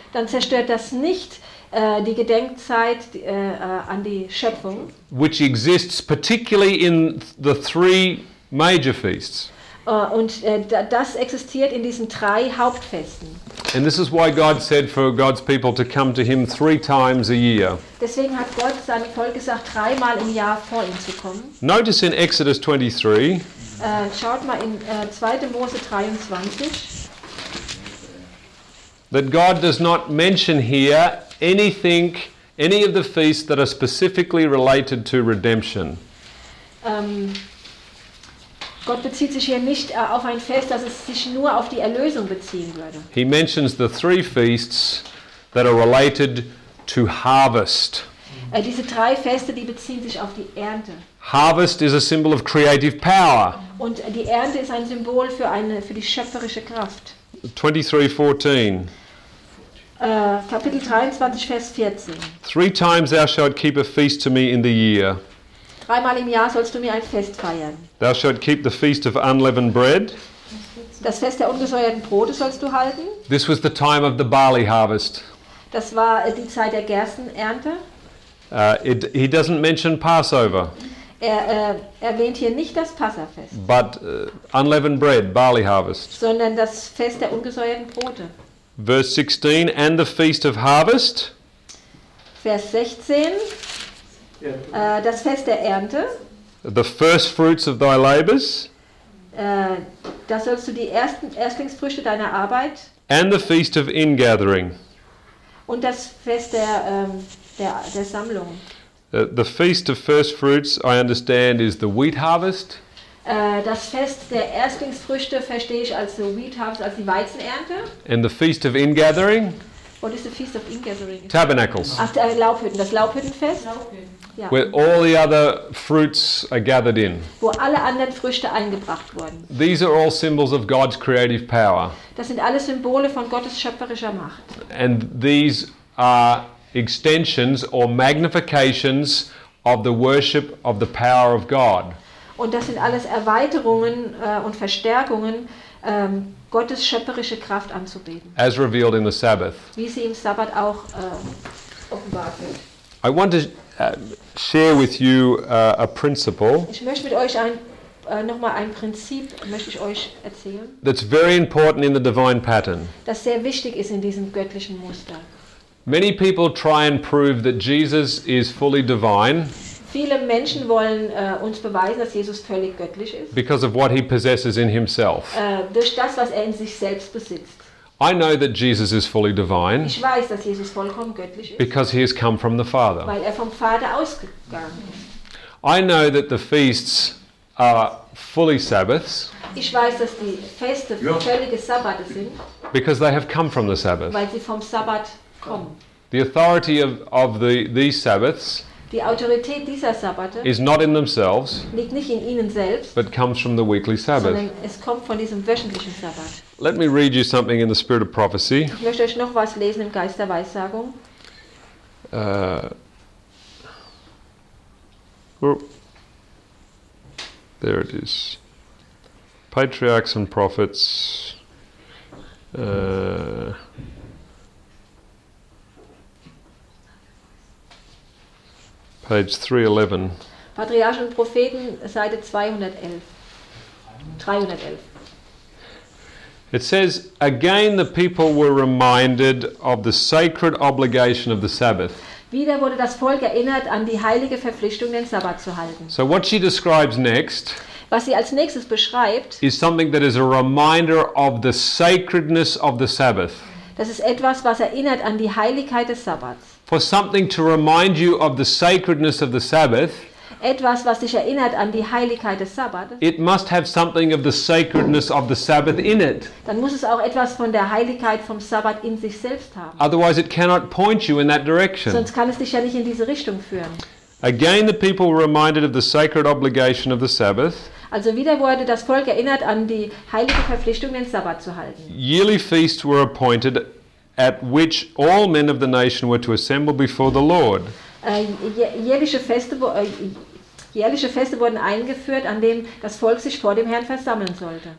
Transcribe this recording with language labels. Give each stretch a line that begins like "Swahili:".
German: Dann zerstört das nicht die Gedenkzeit an die Schöpfung,
English: which exists particularly in the three major feasts.
German: Und das existiert in diesen drei Hauptfesten.
English: And this is why God said for God's people to come to him three times a year.
German: Deswegen hat Gott seinem Volk gesagt, dreimal im Jahr vor ihm zu kommen.
English: Notice in Exodus 23.
German: Schaut mal in 2. Mose 23.
English: That God does not mention here anything, any of the feasts that are specifically related to redemption.
German: Gott bezieht sich hier nicht auf ein Fest, dass es sich nur auf die Erlösung beziehen würde.
English: He mentions the three feasts that are related to harvest.
German: Diese drei Feste, die beziehen sich auf die Ernte.
English: Harvest is a symbol of creative power.
German: Und die Ernte ist ein Symbol für die schöpferische Kraft.
English: 23:14.
German: Kapitel 23, Vers 14.
English: Three times thou shalt keep a feast to me in the year.
German: Dreimal im Jahr sollst du mir ein Fest feiern.
English: Thou shalt keep the feast of unleavened bread.
German: Das Fest der ungesäuerten Brote sollst du halten.
English: This was the time of the barley harvest.
German: Das war die Zeit der Gerstenernte.
English: He doesn't mention Passover.
German: Erwähnt hier nicht das Passafest.
English: But unleavened bread, barley harvest.
German: Sondern das Fest der ungesäuerten Brote.
English: Verse 16, and the feast of harvest.
German: Vers 16. das Fest der Ernte.
English: The first fruits of thy labors.
German: Da sollst du die ersten Erstlingsfrüchte deiner Arbeit.
English: And the feast of ingathering.
German: Und das Fest der der Sammlung.
English: The feast of first fruits, I understand, is the wheat harvest.
German: Das Fest der Erstlingsfrüchte verstehe ich als
English: the wheat harvest,
German: als die Weizenernte.
English: And the feast of ingathering. What is the feast of ingathering? Tabernacles.
German: Ach, Laubhütten, das Laubhüttenfest.
English: Yeah. Where all the other fruits are gathered in.
German: Wo alle anderen Früchte eingebracht wurden.
English: These are all symbols of God's creative power.
German: Das sind alle Symbole von Gottes schöpferischer Macht.
English: And these are extensions or magnifications of the worship of the power of God.
German: Und das sind alles Erweiterungen und Verstärkungen, Gottes schöpferische Kraft anzubeten.
English: As revealed in the Sabbath.
German: Wie sie im Sabbat auch offenbart wird.
English: I want to share with you a principle.
German: Ich möchte mit euch nochmal ein Prinzip möchte ich euch erzählen.
English: That's very important in the divine pattern.
German: Das sehr wichtig ist in diesem göttlichen Muster.
English: Many people try and prove that Jesus is fully divine.
German: Viele Menschen wollen uns beweisen, dass Jesus völlig göttlich ist.
English: Because of what he possesses in himself.
German: Durch das, was er in sich selbst besitzt.
English: I know that Jesus is fully divine.
German: Ich weiß, dass Jesus vollkommen göttlich ist.
English: Because he has come from the Father.
German: Weil er vom Vater ausgegangen ist.
English: I know that the feasts are fully Sabbaths.
German: Ich weiß, dass die Feste völlige Sabbate sind.
English: Because they have come from the Sabbath.
German: Weil sie vom Sabbat kommen.
English: The authority of the these Sabbaths.
German: Die Autorität dieser Sabbate
English: is not in themselves,
German: liegt nicht in ihnen selbst,
English: but comes from the weekly Sabbath.
German: Sondern es kommt von diesem wöchentlichen Sabbat.
English: Let me read you something in the spirit of prophecy.
German: Ich möchte euch noch was lesen im Geist der Weissagung.
English: There it is. Patriarchs and Prophets. Page 311.
German: Patriarchen und Propheten, Seite 311.
English: It says, again the people were reminded of the sacred obligation of the Sabbath.
German: Wieder wurde das Volk erinnert an die heilige Verpflichtung, den Sabbat zu halten.
English: So what she describes next,
German: was sie als nächstes beschreibt,
English: is something that is a reminder of the sacredness of the Sabbath.
German: Das ist etwas, was erinnert an die Heiligkeit des Sabbats.
English: For something to remind you of the sacredness of the Sabbath,
German: etwas, was dich erinnert an die Heiligkeit des Sabbats,
English: it must have something of the sacredness of the Sabbath in it.
German: Dann muss es auch etwas von der Heiligkeit vom Sabbat in sich selbst haben.
English: Otherwise it cannot point you in that direction.
German: Sonst kann es dich ja nicht in diese Richtung führen.
English: Again the people were reminded of the sacred obligation of the Sabbath.
German: Also wieder wurde das Volk erinnert an die heilige Verpflichtung, den Sabbat zu halten.
English: Yearly feasts were appointed at which all men of the nation were to assemble before the Lord.
German: Jährliche Feste wurden eingeführt, an denen das Volk sich vor dem Herrn versammeln sollte.